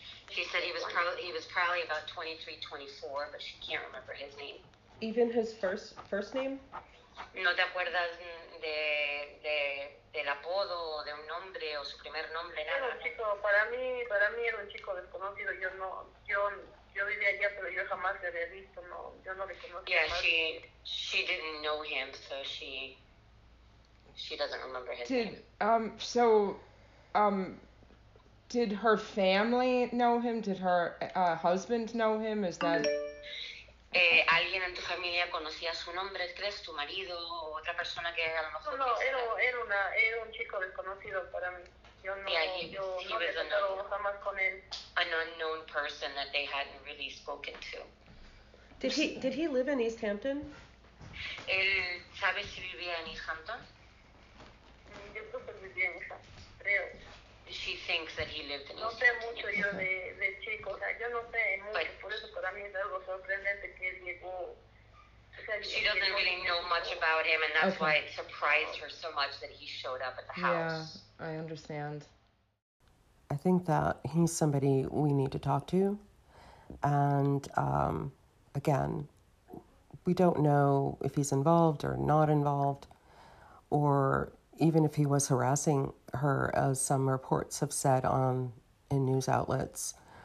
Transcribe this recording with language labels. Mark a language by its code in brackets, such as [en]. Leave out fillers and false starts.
[en] She said he was probably about 23, 24, but she can't remember his name. Even his first name? [es] No te acuerdas del apodo o de un nombre o su primer nombre, nada. Era un chico, para mí era un chico desconocido. Yo vivía allá, pero yo jamás le había visto, no, yo no le conocía. [en] Yeah, she didn't know him, so she doesn't remember his name. Did her family know him? Did her husband know him? Is that... [es] ¿Alguien en tu familia conocía su nombre, crees? ¿Tu marido o otra persona que a lo mejor... No, era un chico desconocido para mí. Yo no he estado jamás con él. [en] An unknown person that they hadn't really spoken to. Did he live in East Hampton? [es] ¿Él sabe si vivía en East Hampton? Yo creo que vivía en East Hampton, creo. [en] She thinks that he lived in East Hampton. [es] No sé mucho yo de chico, o sea, yo no sé mucho, por eso para mí es algo sorprendente que él llegó... [en] She doesn't really know much about him, and that's why it surprised her so much that he showed up at the house. Yeah, I understand. I think that he's somebody we need to talk to. And again, we don't know if he's involved or not involved, or even if he was harassing her, as some reports have said in news outlets.